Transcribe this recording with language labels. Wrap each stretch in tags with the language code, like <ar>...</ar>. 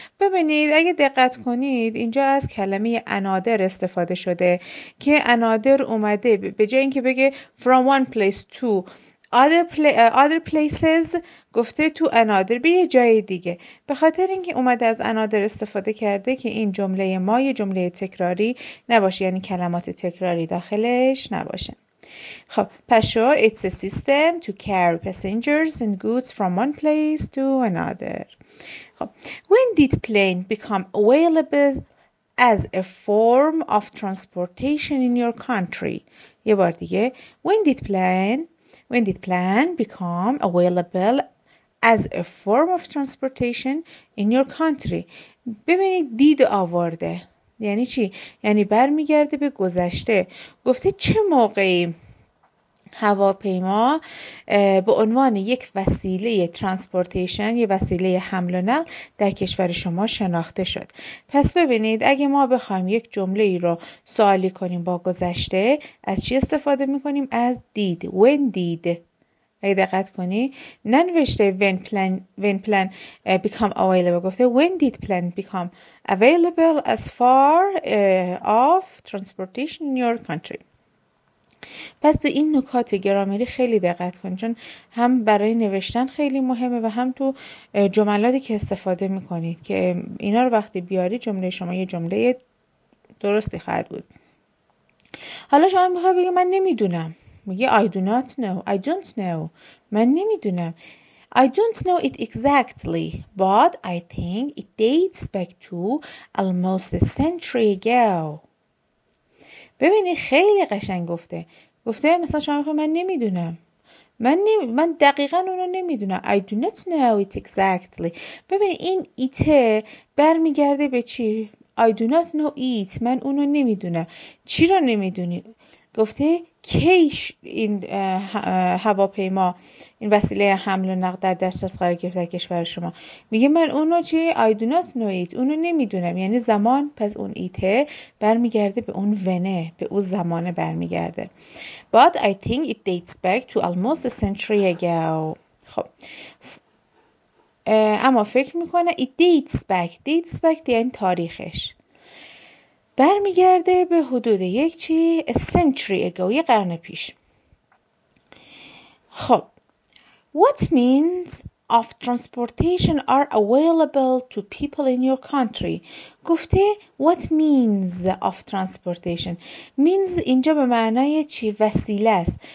<fa>ببینید اگه دقت کنید اینجا از کلمه another استفاده شده که another اومده به جای اینکه بگه</fa> <en>from one place to other places،</en> <fa>گفته تو another، به یه جای دیگه، به خاطر اینکه اومده از another استفاده کرده که این جمله ما یه جمله تکراری نباشه، یعنی کلمات تکراری داخلش نباشه. خب پس شو</fa> <en>it's a system to carry passengers and goods from one place to another. خب when did plane become available as a form of transportation in your country؟</en> <fa>یه بار دیگه،</fa> <en>When did plane become available as a form of transportation in your country؟</en> <fa>ببینید دید آورده یعنی چی؟ یعنی برمیگرده به گذشته. گفته چه موقعی هواپیما به عنوان یک وسیله ترانسپورتیشن، یه وسیله حمل و نقل در کشور شما شناخته شد؟ پس ببینید اگه ما بخوایم یک جمله ای رو سوالی کنیم با گذشته، از چی استفاده میکنیم؟ از دید.</fa> <en>When did،</en> <fa>اگه دقت کنی ننوشته</fa> <en>when plan become available، گفته when did plan become available as far of transportation in your country.</en> <fa>پس به این نکات گرامری خیلی دقت کنید، چون هم برای نوشتن خیلی مهمه و هم تو جملاتی که استفاده میکنید که اینا رو وقتی بیاری جمله شما یه جمله درستی خواهد بود. حالا شما میخواید بگید من نمیدونم، میگه</fa> <en>I don't know.</en> <fa>من نمیدونم.</fa> <en>I don't know it exactly, but I think it dates back to almost a century ago.</en> <fa>ببینید خیلی قشنگ گفته. گفته مثلا شما میخواید من نمیدونم. من دقیقاً اونو نمیدونم.</fa> <en>I do not know it exactly.</en> <fa>ببینید این it برمیگرده به چی؟</fa> <en>I do not know it.</en> <fa>من اونو نمیدونم. چی رو نمیدونی؟ گفته کی این هواپیما این وسیله حمل و نقل در دسترس قرار گرفت در کشور شما. میگه من اونو چی</fa> <en>I do not know it،</en> <fa>اونو نمیدونم، یعنی زمان پس اون ایته برمیگرده به اون ونه، به اون زمانه برمیگرده.</fa> <en>But I think it dates back to almost a century ago.</en> <fa>خب اما فکر میکنه</fa> <en>it dates back، dates back</en> <fa>یعنی تاریخش برمیگرده به حدود یک چی</fa> <en>a century ago،</en> <fa>یه قرن پیش.</fa> <en>خب what means of transportation are available to people in your country؟ گفته what means of transportation، means اینجا به معنای چی وسیله است.</en>